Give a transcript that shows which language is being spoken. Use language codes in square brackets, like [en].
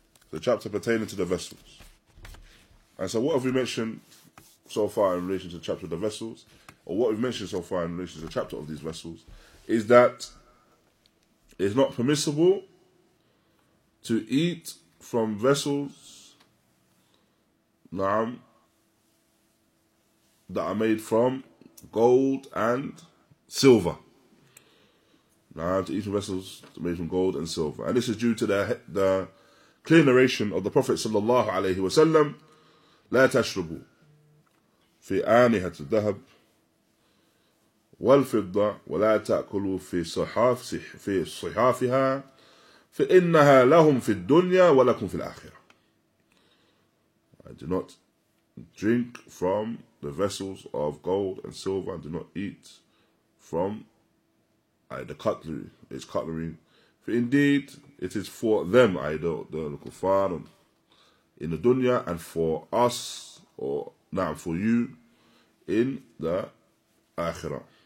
[en] The chapter pertaining to the vessels. And so what have we mentioned so far in relation to the chapter of the vessels, or what we've mentioned so far in relation to the chapter of these vessels, is that it's not permissible to eat from vessels, naam, that are made from gold and silver. Naam, to eat from vessels made from gold and silver. And this is due to the clear narration of the Prophet sallallahu alayhi wa sallam, [ar] لا تشربوا في آنية الذهب والفضة ولا تأكلوا في صحاف في صحافها فإنها لهم في الدنيا ولكم في الآخرة. [en] I do not drink from The vessels are of gold and silver and do not eat from the cutlery. It's cutlery. For indeed, it is for them, the kuffar, in the dunya, and for us, for you, in the akhirah.